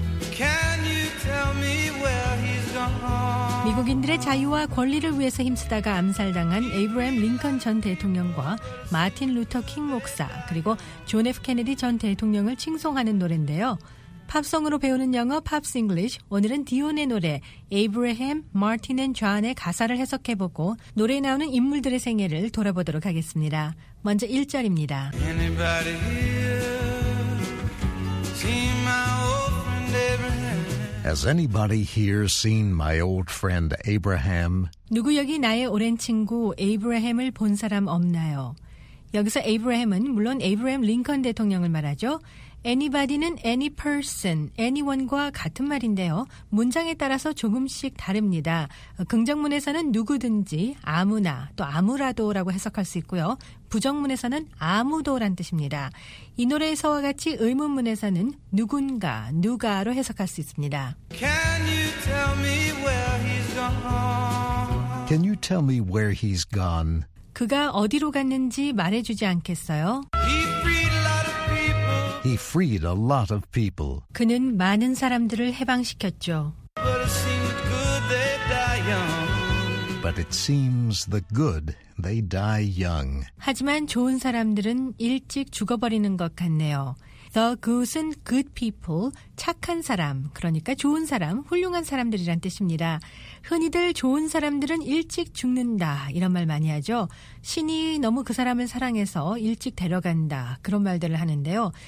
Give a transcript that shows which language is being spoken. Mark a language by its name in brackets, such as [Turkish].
[English] Can you tell me where he's gone? [Korean] 미국인들의 자유와 권리를 위해서 힘쓰다가 암살당한 에이브라햄 링컨 전 대통령과 마틴 루터 킹 목사 그리고 존 F. 케네디 전 대통령을 칭송하는 노래인데요. 팝송으로 배우는 영어 팝스 잉글리쉬, 오늘은 디온의 노래 에이브라햄, 마틴 앤 존의 가사를 해석해보고 노래에 나오는 인물들의 생애를 돌아보도록 하겠습니다. 먼저 1절입니다. [English] Anybody here? See my old friend Abraham? Has anybody here seen my old friend Abraham? [Korean] 누구 여기 나의 오랜 친구 에이브라햄을 본 사람 없나요? 여기서 에이브라햄은 물론 에이브라햄 링컨 대통령을 말하죠. Anybody는 any person, anyone과 같은 말인데요. 문장에 따라서 조금씩 다릅니다. 긍정문에서는 누구든지, 아무나, 또 아무라도라고 해석할 수 있고요. 부정문에서는 아무도란 뜻입니다. 이 노래에서와 같이 의문문에서는 누군가, 누가로 해석할 수 있습니다. [English] Can you tell me where he's gone? Can you tell me where he's gone? [Korean] 그가 어디로 갔는지 말해주지 않겠어요? [English] He freed a lot of people. [Korean] 그는 많은 사람들을 해방시켰죠. [English] But it seems good they die young. But it seems the good they die young. [Korean] 하지만 좋은 사람들은 일찍 죽어버리는 것 같네요. The good은 good people, 착한 사람, 그러니까 좋은 사람, 훌륭한 사람들이란 뜻입니다. 흔히들 좋은 사람들은 일찍 죽는다, 이런 말 많이 하죠. 신이 너무 그 사람을 사랑해서 일찍 데려간다, 그런 말들을 하는데요.